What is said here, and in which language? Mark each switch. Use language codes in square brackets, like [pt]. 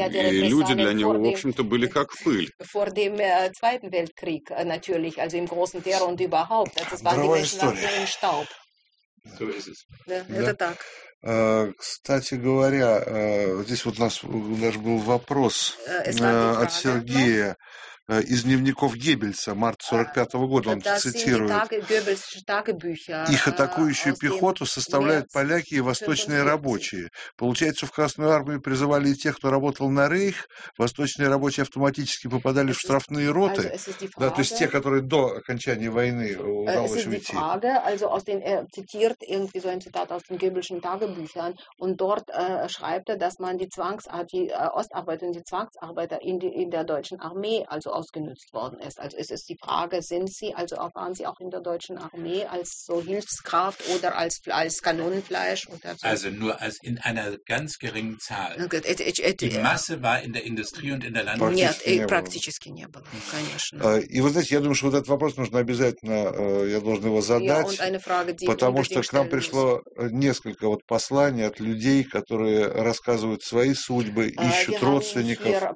[ru] И люди для него, в общем-то, были как пыль. [de] Vor dem Zweiten Weltkrieg natürlich, also im großen Terror und überhaupt. Das war die Menschen nach dem Staub. So [ru] да, да, это так. Кстати говоря, здесь вот у нас даже был вопрос от Сергея из дневников Геббельса, марта 1945 года, он цитирует. Их атакующую пехоту составляют поляки и восточные рабочие. Получается, в Красную армию призывали и тех, кто работал на Рейх, восточные рабочие автоматически попадали в штрафные роты, да, то есть те, которые до окончания войны удалось уйти. Цитирует [de] irgendwie so ein Zitat aus den Göbelschen Tagebüchern und dort schreibt er, dass man die Ostarbeiter und die Zwangsarbeiter in der deutschen Armee, also ausgenutzt worden ist. Also es ist die Frage, waren sie auch in der deutschen Armee als so Hilfskraft oder als Kanonenfleisch? Oder so? Also nur als in einer ganz geringen Zahl. Die Masse war in der Industrie und in der Landwirtschaft. [ru] Нет, практически не было, конечно. И вы знаете, я думаю, что вот этот вопрос нужно обязательно, я должен его задать, [de] ja, Frage, [ru] потому что к нам пришло несколько вот посланий от людей, которые рассказывают свои судьбы, ищут родственников.